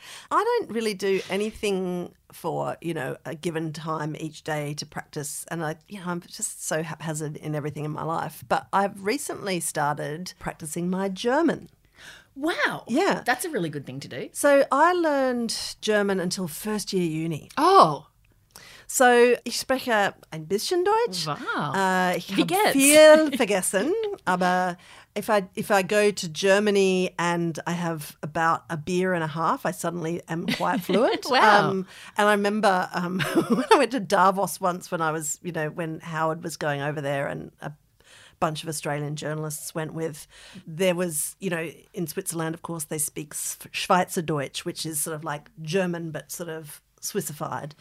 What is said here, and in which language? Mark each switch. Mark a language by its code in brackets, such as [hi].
[en] I don't really do anything for, you know, a given time each day to practice, and I'm just so haphazard in everything in my life. But I've recently started practicing my German. Wow. Yeah. That's a really good thing to do. So I learned German until first year uni. Oh, [de] so ich spreche ein bisschen Deutsch. [en] Wow. [de] Ich habe viel vergessen. Aber [en] if I go to Germany and I have about a beer and a half, I suddenly am quite fluent. Wow. And I remember when I went to Davos once when I was, you know, when Howard was going over there and a bunch of Australian journalists went with, there was, you know, in Switzerland, of course, they speak Schweizerdeutsch, which is sort of like German but sort of Swissified.